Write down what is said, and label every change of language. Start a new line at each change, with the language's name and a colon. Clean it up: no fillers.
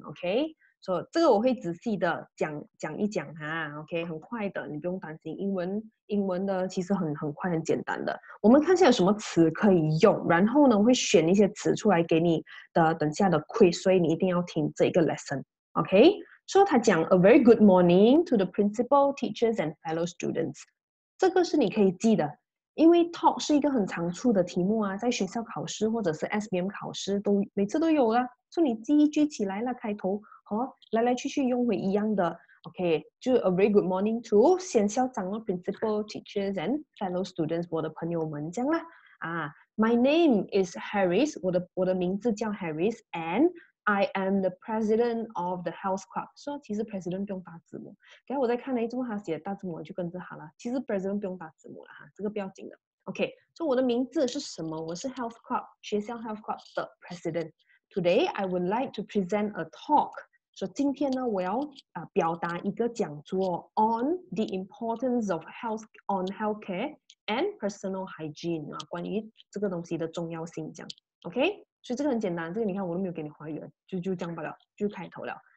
Chinese: Okay，所以这个我会仔细的讲一讲哈。 Okay，很快的，你不用担心。英文的其实很快很简单的。我们看一下有什么词可以用，然后呢，我会选一些词出来给你的等下的 quiz，所以你一定要听这个 lesson。
English: Okay，
Chinese: 所以他讲
English: a very good morning to the principal, teachers and fellow students，
Chinese: 这个是你可以记的。因为 talk 是一个很常出的题目啊，在学校考试或者是 SPM 考试都每次都有啦，所以你记一句起来了，开头和来来去去用回一样的，OK，就
English: a very good morning to
Chinese: 先校长的
English: principal teachers and fellow students，
Chinese: 我的朋友们这样啦。
English: 啊，My name is Harris，
Chinese: 我的名字叫
English: Harris，and I am the president of the health club。
Chinese: 说其实 president 不用打字母，然后我在看了一句话，写打字母就跟着好了。其实 president 不用打字母了哈，这个不要紧的。OK，说我的名字是什么？我是
English: health club
Chinese: 学校
English: health club 的 president。 Today I would like to present a talk。
Chinese: 说今天呢，我要表达一个讲座
English: on the importance of health on healthcare and personal hygiene
Chinese: 啊，关于这个东西的重要性讲。 OK。所以这个很简单，这个你看我都没有给你还原，就这样罢了，就开头了。